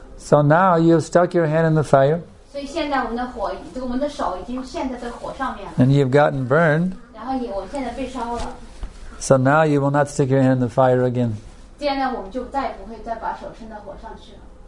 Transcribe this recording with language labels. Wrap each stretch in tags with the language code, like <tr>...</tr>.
<en>So now you've stuck your hand in the fire.</en> <zh>所以现在我们的手已经陷在这火上面了。</zh> <en>And you've gotten burned.</en> <zh>然后我现在被烧了。</zh> <en>So now you will not stick your hand in the fire again.</en> <zh>现在我们就再不会再把手伸到火上去了。</zh>